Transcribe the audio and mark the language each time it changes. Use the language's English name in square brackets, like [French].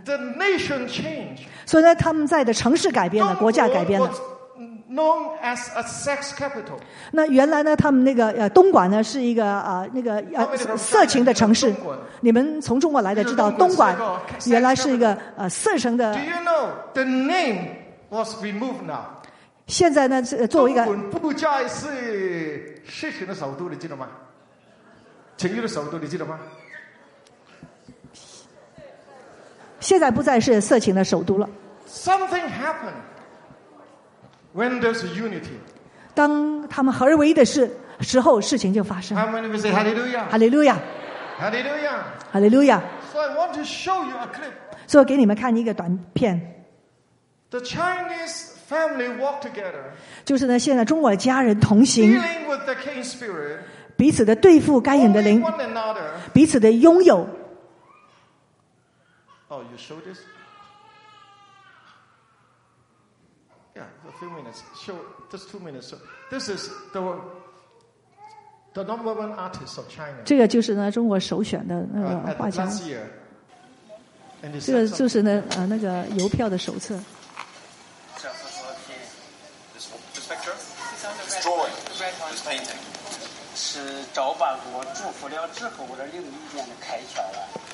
[English] The nation changed. [Chinese] 所以呢他们在的城市改变了，国家改变了。 [English] Known as a sex capital. [Chinese] 那原来呢，他们那个东莞呢是一个那个色情的城市。你们从中国来的知道，东莞原来是一个色情的。 [English] Do you know the name was removed now? [Chinese] 现在呢，作为一个东莞不再是色情的首都，你记得吗？情欲的首都，你记得吗？现在不再是色情的首都了。 [English] Something happened. When there's unity, [Chinese] 当他们合而为一的时候，事情就发生。 [English] How many of you say Hallelujah? Hallelujah! Hallelujah! Hallelujah! So I want to show you a clip. [Chinese] 所以给你们看一个短片。 [English] The Chinese family walk together. [Chinese] 就是呢，现在中国家人同行。 [English] Dealing with the King Spirit. [Chinese] 彼此的对付该隐的灵。 [English] One another. [Chinese] 彼此的拥有。 [English] Oh, you show this. Two minutes. Show just 2 minutes. So this is the number one artist of China. [Chinese] 这个就是呢中国首选的那个画家。 [English] Last year, [Chinese] 这个就是呢那个邮票的手册。 [English] This picture, this drawing, this painting, [Chinese] 是找把国祝福了之后我的另一面的开窍了。